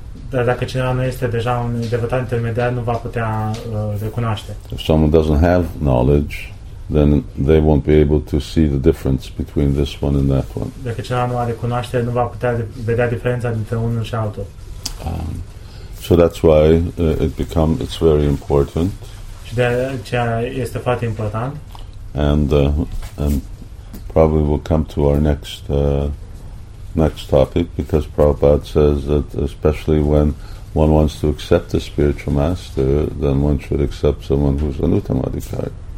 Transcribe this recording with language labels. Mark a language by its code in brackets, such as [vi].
[ro] Dar dacă cineva nu este deja un devotat intermediar, nu va putea recunoaște. [en] If someone doesn't have knowledge, then they won't be able to see the difference between this one and that one. [ro] Dacă cineva nu are cunoaștere, nu va putea vedea diferența dintre unul și altul. [en] So that's why it's very important. [ro] Și de aceea este foarte important. [en] And probably we'll come to our next topic because Prabhupada says that especially when one wants to accept a spiritual master, then one should accept someone who's an uttamadhikari.